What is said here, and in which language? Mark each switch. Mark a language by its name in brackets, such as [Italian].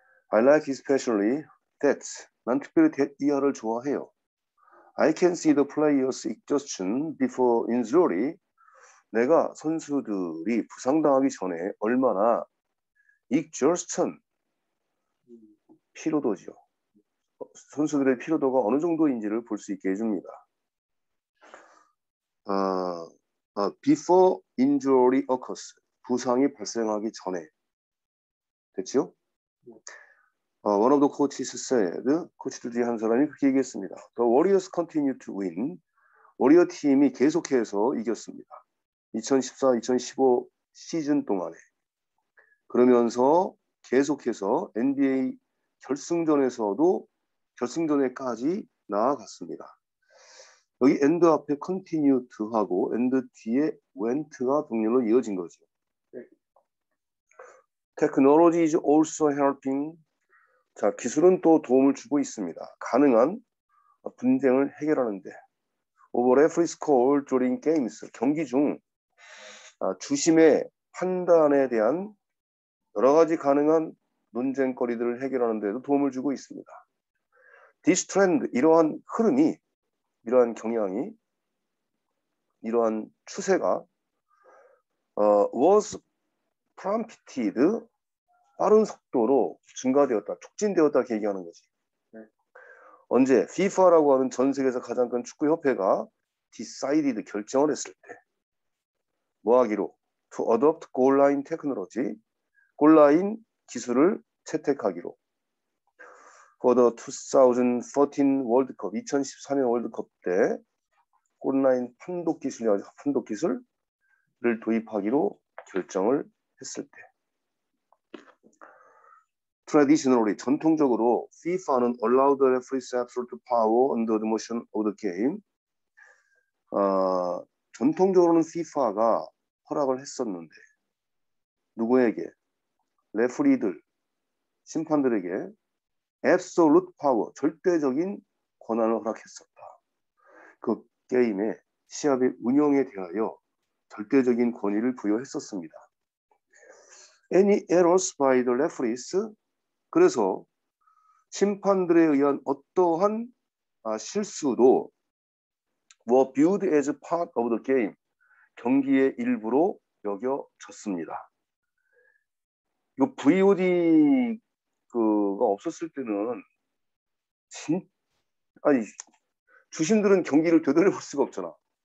[English] 어, I like especially that. [Korean] 난 특별히 that 이하를 좋아해요. [English] I can see the player's exhaustion before injury. [Korean] 내가 선수들이 부상당하기 전에 얼마나 exhaustion 피로도죠. 선수들의 피로도가 어느 정도인지를 볼 수 있게 해줍니다. [English] Before injury occurs, [Korean] 부상이 발생하기 전에. 됐죠? [English] One of the coaches said, [Korean] 코치들 중에 한 사람이 그렇게 얘기했습니다. [English] The Warriors continue to win. [Korean] 워리어 팀이 계속해서 이겼습니다. 2014-2015 시즌 동안에. 그러면서 계속해서 NBA 결승전에서도 결승전에까지 나아갔습니다. 여기 end 앞에 continue to 하고 end 뒤에 went가 동렬로 이어진 거죠. 네. [English] Technology is also helping. [Korean] 자, 기술은 또 도움을 주고 있습니다. 가능한 분쟁을 해결하는데. [English] Over referee's call during games. [Korean] 경기 중 주심의 판단에 대한 여러 가지 가능한 논쟁거리들을 해결하는 데도 도움을 주고 있습니다. This trend, 이러한 흐름이, 이러한 경향이, 이러한 추세가 [English] was prompted, [Korean] 빠른 속도로 증가되었다, 촉진되었다 얘기하는 거지. 언제? FIFA라고 하는 전 세계에서 가장 큰 축구협회가 decided, 결정을 했을 때. 뭐 하기로? [English] To adopt goal line technology, [Korean] 골라인 기술을 채택하기로. [English] For the 2014 World Cup, [Korean] 2014년 월드컵 때 골라인 판독 기술, 판독 기술을 도입하기로 결정을 했을 때. [English] Traditionally, [Korean] 전통적으로 FIFA는 [English] allowed the referee's absolute power under the motion of the game. [Korean] 전통적으로는 FIFA가 허락을 했었는데 누구에게? 레프리들, 심판들에게 [English] absolute power, [Korean] 절대적인 권한을 허락했었다. 그 게임의 시합의 운영에 대하여 절대적인 권위를 부여했었습니다. Any errors by the referees? 그래서 심판들에 의한 어떠한 실수도 [English] were viewed as part of the game, [Korean] 경기의 일부로 여겨졌습니다. 이 VOD가 없었을 때는 아니 주심들은 경기를 되돌려볼 수가 없잖아.